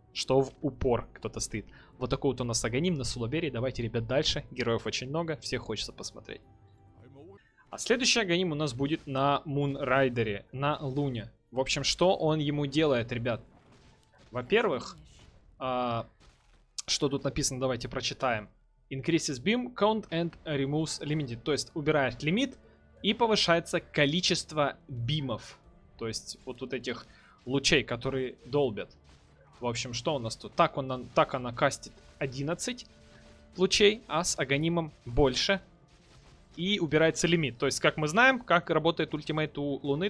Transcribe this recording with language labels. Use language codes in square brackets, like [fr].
[ru] что в упор кто-то стоит. Вот такой вот у нас аганим на Сулаберии. Давайте, ребят, дальше. Героев очень много, всех хочется посмотреть. А следующий аганим у нас будет на Мунрайдере, на Луне. В общем, что он ему делает, ребят? Во-первых, что тут написано, давайте прочитаем. [en] Increases beam count and removes limited. [ru] То есть убирает лимит и повышается количество бимов. То есть вот тут этих лучей, которые долбят. В общем, что у нас тут? Так она кастит 11 лучей, а с аганимом больше. И убирается лимит. То есть, как мы знаем, как работает ультимейт у Луны.